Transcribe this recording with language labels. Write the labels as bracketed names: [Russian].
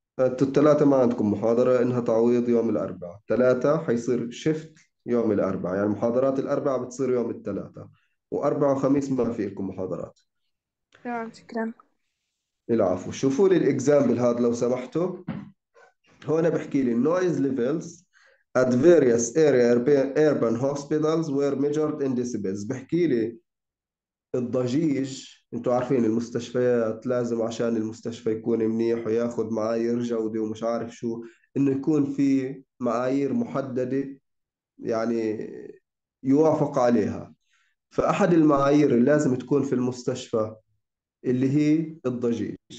[Arabic] أنتوا الثلاثاء ما عندكم محاضرة، إنها تعويض يوم الأربعاء. ثلاثة حيصير شفت يوم الأربعاء، يعني محاضرات الأربعاء بتصير يوم الثلاثاء، وأربعاء وخميس ما في لكم محاضرات. تمام. شكرا. العفو. شوفوا لي الإكزامبل هذا لو سمحتوا. هون بحكي لي [English] noise levels at various area urban hospitals were measured in decibels. [Arabic] بحكي لي الضجيج، انتوا عارفين المستشفيات لازم عشان المستشفى يكون منيح وياخذ معايير جودة ومش عارف شو، انه يكون في معايير محددة يعني يوافق عليها. فأحد المعايير اللي لازم تكون في المستشفى اللي هي الضجيج.